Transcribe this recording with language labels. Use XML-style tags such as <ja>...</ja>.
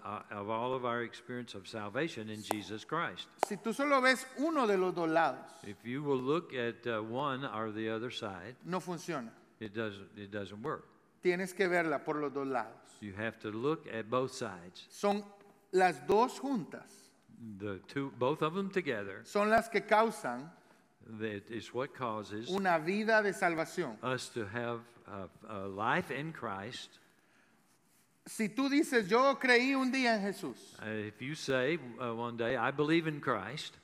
<en>Of all of our experience of salvation in Jesus Christ.</en> <es>Si tú solo ves uno de los dos lados.</es> <en>If you will look at one or the other side.</en> <es>No funciona.</es> <en>It doesn't work.</en> <es>Tienes que verla por los dos lados.</es> <en>You have to look at both sides.</en> <es>Son las dos juntas.</es> <en>The two, both of them together.</en> <es>Son las que causan.</es> <en>That is what causes.</en> <es>Una vida de salvación.</es> <en>Us to have a life in Christ.</en> <es>Si tú dices, yo creí un día en Jesús.</es> <en>If you say one day, I believe in Christ.</en>